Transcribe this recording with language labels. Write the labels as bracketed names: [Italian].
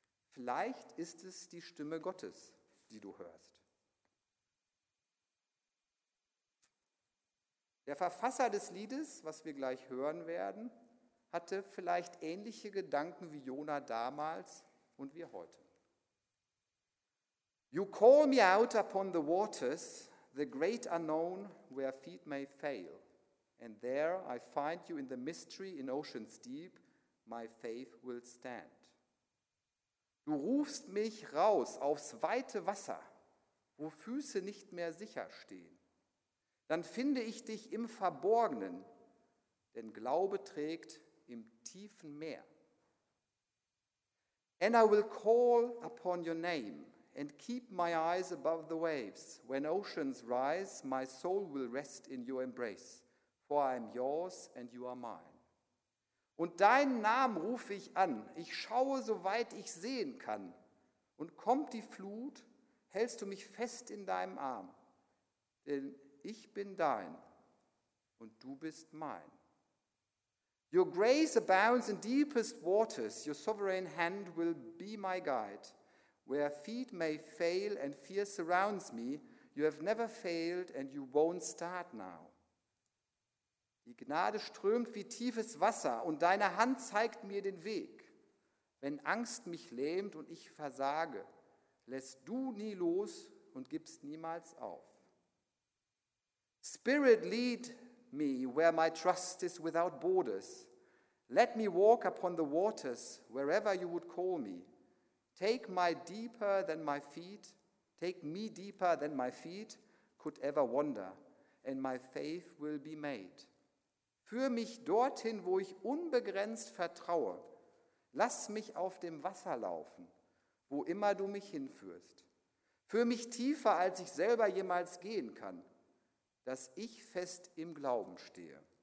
[German] Vielleicht ist es die Stimme Gottes, die du hörst. Der Verfasser des Liedes, was wir gleich hören werden, hatte vielleicht ähnliche Gedanken wie Jona damals und wir heute. [English] You call me out upon the waters, the great unknown, where feet may fail. And there I find you in the mystery in ocean's deep, my faith will stand. [German] Du rufst mich raus aufs weite Wasser, wo Füße nicht mehr sicher stehen. Dann finde ich dich im Verborgenen, denn Glaube trägt im tiefen Meer. [English] And I will call upon your name and keep my eyes above the waves. When oceans rise, my soul will rest in your embrace, for I am yours and you are mine. [German] Und deinen Namen rufe ich an, ich schaue, soweit ich sehen kann. Und kommt die Flut, hältst du mich fest in deinem Arm, denn ich bin dein und du bist mein. [English] Your grace abounds in deepest waters, your sovereign hand will be my guide. Where feet may fail and fear surrounds me, you have never failed and you won't start now. [German] Die Gnade strömt wie tiefes Wasser und deine Hand zeigt mir den Weg. Wenn Angst mich lähmt und ich versage, lässt du nie los und gibst niemals auf. [English] Spirit, lead me where my trust is without borders. Let me walk upon the waters wherever you would call me. Take me deeper than my feet, take me deeper than my feet could ever wander, and my faith will be made. [German] Führ mich dorthin, wo ich unbegrenzt vertraue. Lass mich auf dem Wasser laufen, wo immer du mich hinführst. Führ mich tiefer, als ich selber jemals gehen kann, dass ich fest im Glauben stehe.